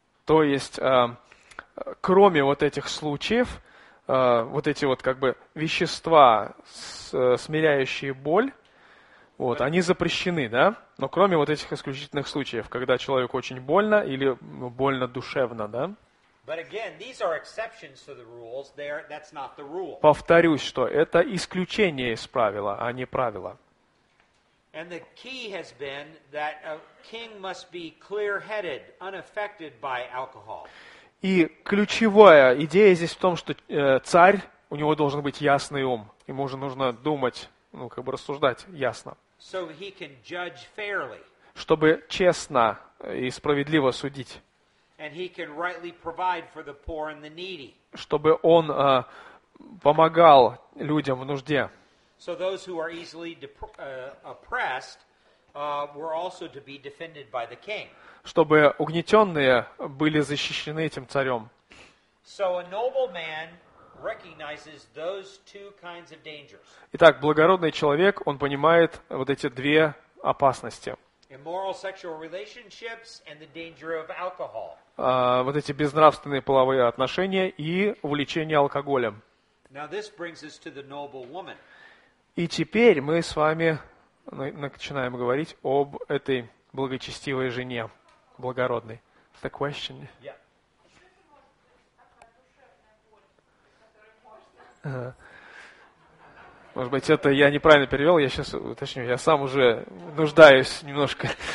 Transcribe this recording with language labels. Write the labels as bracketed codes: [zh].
[ru] То есть, кроме вот этих случаев, вот эти вот как бы вещества, смиряющие боль, вот, они запрещены, да? Но кроме вот этих исключительных случаев, когда человеку очень больно или больно душевно, да? [en] But again, these are exceptions to the rules. That's not the rule. [ru] Повторюсь, что это исключение из правила, а не правило. [en] And the key has been that a king must be clear-headed, unaffected by alcohol. [ru] И ключевая идея здесь в том, что царь, у него должен быть ясный ум. Ему же нужно думать, ну, как бы рассуждать ясно. [en] So he can judge fairly. [ru] Чтобы честно и справедливо судить. [en] And he can rightly provide for the poor and the needy. [ru] Чтобы он помогал людям в нужде. [en] So those who are easily oppressed were also to be defended by the king. [ru] Чтобы угнетенные были защищены этим царем. [en] So a noble man recognizes those two kinds of dangers. [ru] Итак, благородный человек, он понимает вот эти две опасности. [en] Immoral sexual relationships and the danger of alcohol. [ru] Вот эти безнравственные половые отношения и увлечение алкоголем. [en] Now this brings us to the noble woman. [ru] И теперь мы с вами начинаем говорить об этой благочестивой жене, благородной. [en] The question. [ru] Может быть, это я неправильно перевел, я сейчас уточню, я сам уже нуждаюсь немножко.